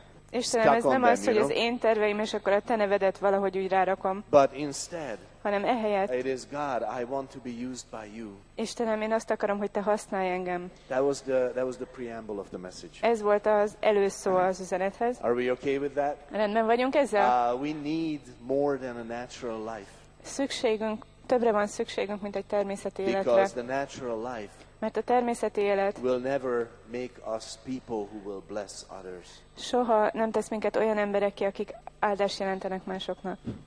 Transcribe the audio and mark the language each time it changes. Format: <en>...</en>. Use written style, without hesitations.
<hu>Istenem, ez nem az, hogy az én terveim, és akkor a te nevedet valahogy úgy rárakom. Hanem ehelyett.</hu> <en>It is God, I want to be used by you.</en> <hu>Istenem, én azt akarom, hogy te használj engem.</hu> <en>That was the preamble of the message.</en> <hu>Ez volt az előszó az üzenethez.</hu> <en>Are we okay with that?</en> <hu>Rendben vagyunk ezzel?</hu> <en>We need more than a natural life.</en> <hu>Szükségünk, többre van szükségünk, mint egy természeti életre.</hu> <en>Because the natural life.</en> <hu>Mert a természeti élet</hu> <en>will never make us people who will bless others.</en> <hu>Soha nem tesz minket olyan emberekké, akik áldást jelentenek másoknak.</hu>